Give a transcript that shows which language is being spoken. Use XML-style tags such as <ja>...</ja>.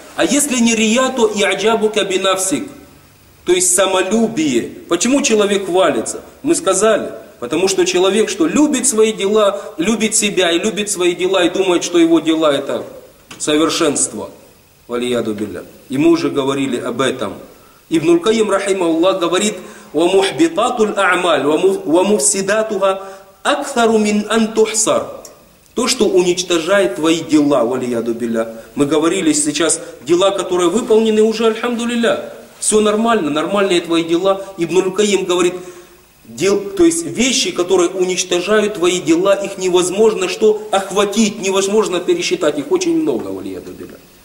<ru>А если не рия, то и аджабука бинавсик. То есть самолюбие. Почему человек хвалится? Мы сказали. Потому что человек, что любит свои дела, любит себя и любит свои дела, и думает, что его дела это совершенство. Валиядубилля. И мы уже говорили об этом. Ибн Аль-Кайм, рахима Аллах, говорит,</ru> <ar>وَمُحْبِطَاتُ الْأَعْمَالِ وَمُفْسِدَاتُهَا أَكْثَرُ مِنْ أَنْ تُحْصَرُ.</ar> <ru>То, что уничтожает твои дела, валиядубилля. Мы говорили сейчас, дела, которые выполнены уже, альхамдулилля. Все нормально, нормальные твои дела. Ибн Аль-Кайм говорит, то есть вещи, которые уничтожают твои дела, их невозможно что охватить, невозможно пересчитать, их очень много, валиядубилля.</ru>